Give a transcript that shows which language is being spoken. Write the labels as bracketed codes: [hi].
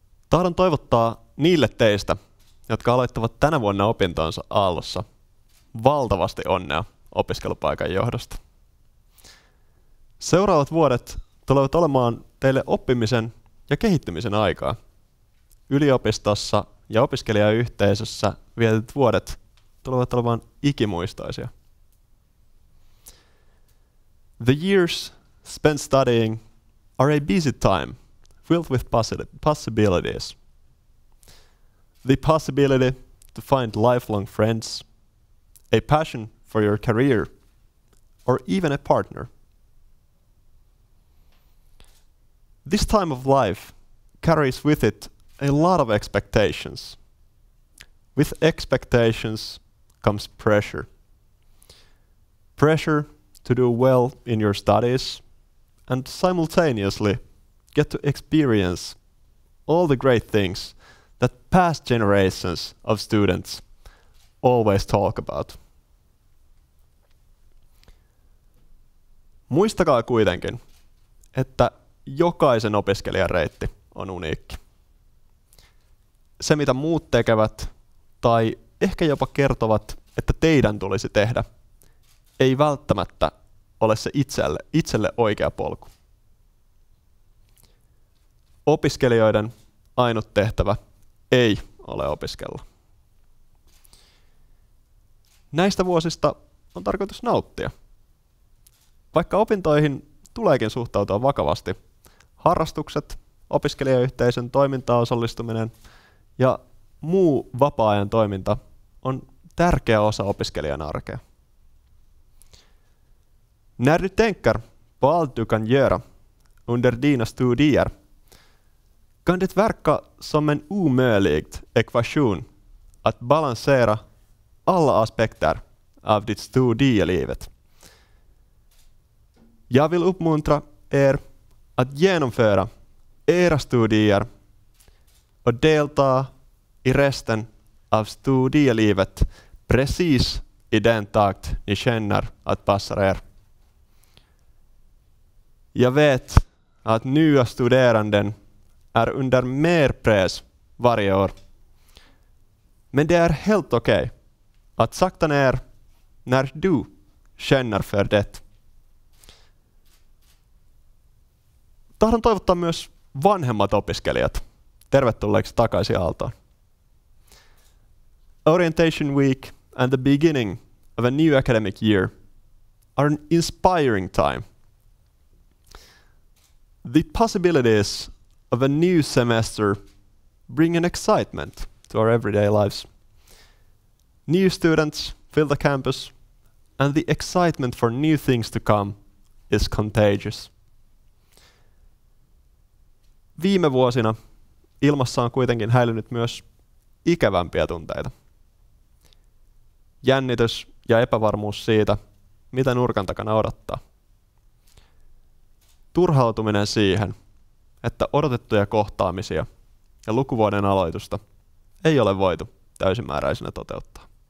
[fi] Tahdon toivottaa niille teistä, jotka aloittavat tänä vuonna opintonsa Aallossa, valtavasti onnea opiskelupaikan johdosta. Seuraavat vuodet tulevat olemaan teille oppimisen ja kehittymisen aikaa. Yliopistossa ja opiskelijayhteisössä vietetyt vuodet tulevat olemaan ikimuistoisia. [en] The years spent studying are a busy time filled with possibilities. The possibility to find lifelong friends, a passion for your career, or even a partner. This time of life carries with it a lot of expectations. With expectations comes pressure. Pressure to do well in your studies and simultaneously get to experience all the great things that past generations of students always talk about. [fi] Muistakaa kuitenkin, että jokaisen opiskelijan reitti on uniikki. Se, mitä muut tekevät, tai ehkä jopa kertovat, että teidän tulisi tehdä, ei välttämättä ole se itselle oikea polku. Opiskelijoiden ainut tehtävä ei ole opiskella. Näistä vuosista on tarkoitus nauttia. Vaikka opintoihin tuleekin suhtautua vakavasti, harrastukset, opiskelijayhteisön toimintaan osallistuminen ja muu vapaa-ajan toiminta on tärkeä osa opiskelijan arkea. [sv] När du tänker på allt du kan göra under dina studier kan det verka som en omöjlig ekvation att balansera alla aspekter av ditt studielivet. Jag vill uppmuntra er att genomföra era studier och delta i resten av studielivet precis i den takt ni känner att passar er. Jag vet att nya studeranden är under mer press varje år. Men det är helt okej att sakta ner när du känner för det. [fi] Tahdon toivottaa myös vanhemmat opiskelijat tervetulleeksi takaisin Aaltoon. [en] Orientation week and the beginning of a new academic year are an inspiring time. The possibilities of a new semester bring an excitement to our everyday lives. New students fill the campus, and the excitement for new things to come is contagious. [fi] Viime vuosina ilmassa on kuitenkin häilynyt myös ikävämpiä tunteita. Jännitys ja epävarmuus siitä, mitä nurkan takana odottaa. Turhautuminen siihen, että odotettuja kohtaamisia ja lukuvuoden aloitusta ei ole voitu täysimääräisenä toteuttaa.